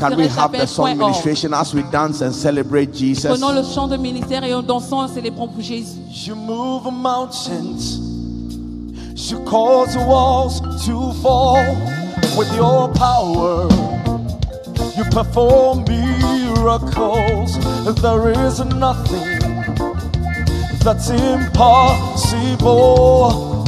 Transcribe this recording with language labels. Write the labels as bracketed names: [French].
[English] Can we have the song ministration as we dance and celebrate Jesus? [French] Prenons le chant de ministère et en dansant, célébrons pour Jésus. [English] You move mountains, you cause walls to fall. With your power, you perform miracles. There is nothing that's impossible.